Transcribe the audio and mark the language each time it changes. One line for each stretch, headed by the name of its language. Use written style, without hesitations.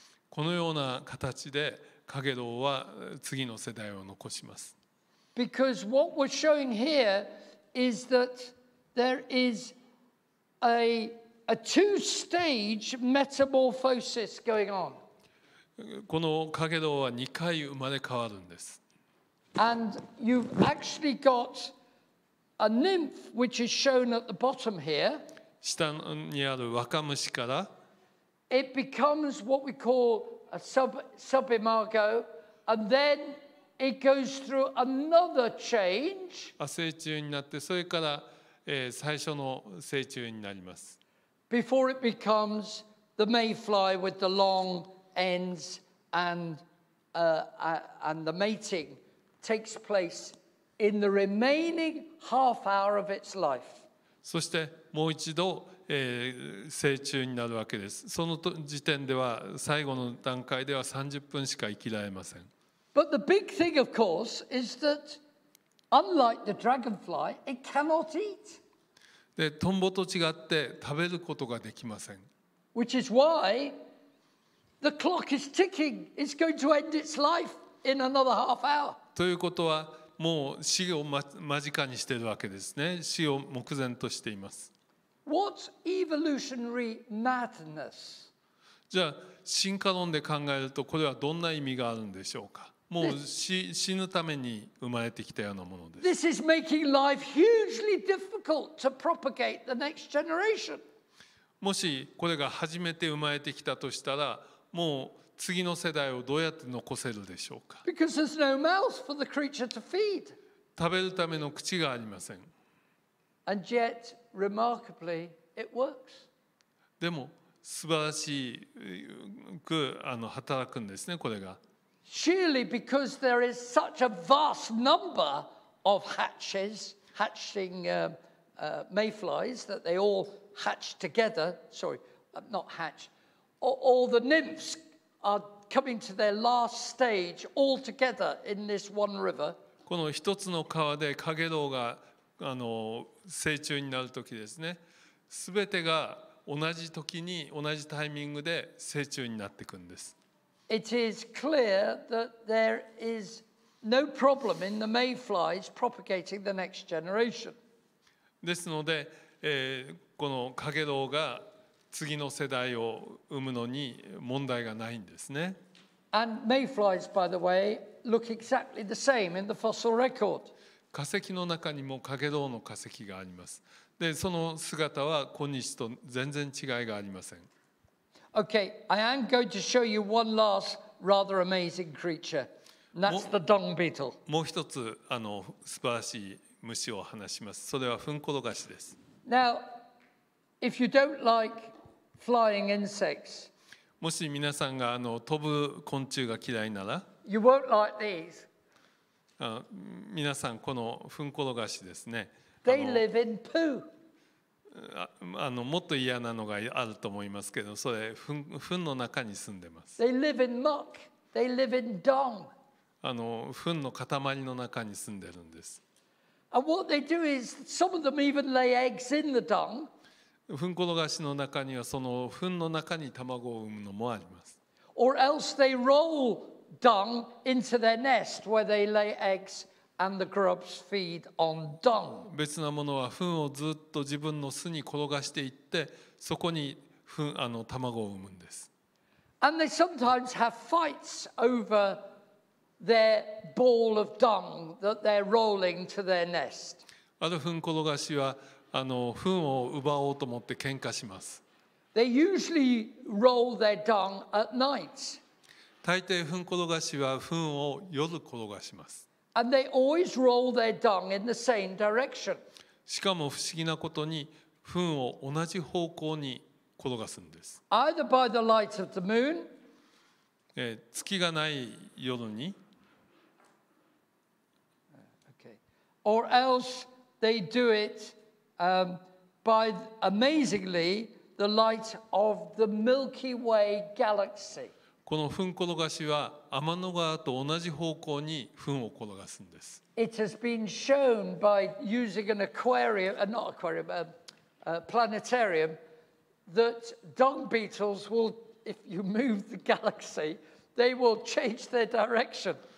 Japanese: このような形でカゲロウは次の世代を残します。
English: Because what we're showing here is that there is a two-stage metamorphosis going on.
Japanese: このカゲロウは2回生まれ変わるんです。
English: And you've actually got a nymph which is shown at the bottom here.
Japanese: 下にある若虫から。
English: It becomes what we call a sub-imago, and then it goes through another change.
Japanese: 成虫になって、それから、最初の成虫になります。
English: Before it becomes the mayfly with the long ends, and the mating takes place in the remaining half hour of its life.
Japanese: そしてもう一度。成虫になるわけです。その時点では最後の段階では30分しか生きられません。
English: But the big thing, of course, is that unlike the dragonfly, it cannot eat.
Japanese: で、トンボと違って食べることができません。
English: Which is why the clock is ticking. It's going to end its life in another half hour.
Japanese: ということはもう死を間近にしているわけですね。死を目前としています。
English: What evolutionary madness?
Japanese: じゃあ進化論で考えるとこれはどんな意味があるんでしょうか。もう死ぬために生まれてきたようなものです。
English: This is making life hugely difficult to propagate the next generation.
Japanese: もしこれが初めて生まれてきたとしたら、もう次の世代をどうやって残せるでしょうか。
English: Because there's no mouth for the creature to feed.
Japanese: 食べるための口がありません。
English: And yet, remarkably, it works.
Japanese: でも素晴らしく働くんですね、これが。
English: Surely because there is such a vast number of hatching mayflies that they all hatch together. Sorry, not hatch. All the nymphs are coming to their last stage all together in this one river.
Japanese: この一つの川でカゲロウが成虫になるときですね、すべてが同じときに同じタイミングで成虫になっていくんです。
English: It is clear that there is no problem in the mayflies propagating the next generation.
Japanese: ですので、このカゲロウが次の世代を生むのに問題がないんですね。
English: And mayflies, by the way, look exactly the same in the fossil record.
Japanese: 化石の中にもカゲロウの化石があります。でその姿は今日と全然違いがありません。
English: Okay, I am going to show you one last rather amazing creature. That's the dung beetle.
Japanese: もう一つ素晴らしい虫を話します。それはフンコロガシです。
English: Now, if you don't like flying insects,
Japanese: もし皆さんが飛ぶ昆虫が嫌いなら、
English: you won't like these.
Japanese: 皆さんこのフンコロガシですね、
English: They live in poo.
Japanese: もっと嫌なのがあると思いますけど、それ糞の中に住んでます。
English: They live in muck. They live in dung.
Japanese: 糞の塊の中に住んでるんです。
English: And what they do is some of them even lay eggs in the dung.
Japanese: 糞転がしの中にはその糞の中に卵を産むのもあります。
English: Or else they roll dung into their nest where they lay eggs and the grubs feed on dung.
Japanese: 別なものは糞をずっと自分の巣に転がしていってそこに糞卵を産むんです。
English: And they sometimes have fights over their ball of dung that they're rolling to their nest.
Japanese: ある糞転がしは糞を奪おうと思って喧嘩します。
English: They usually roll their dung at night.
Japanese: 大抵糞転がしは糞を夜転がします。
English: And they always roll their dung in the same direction.
Japanese: しかも不思議なことに糞を同じ方向に転がすんです。
English: Either by the light of the moon.
Japanese: 月がない夜に。
English: Okay. Or else they do it. By amazingly, the light of the Milky Way galaxy.
Japanese: この糞転がしは天の川と同じ方向に糞を転がすんです。
English: It has been shown by using an aquarium, not aquarium, a planetarium, that dung beetles will, if you move the galaxy, they will change their direction.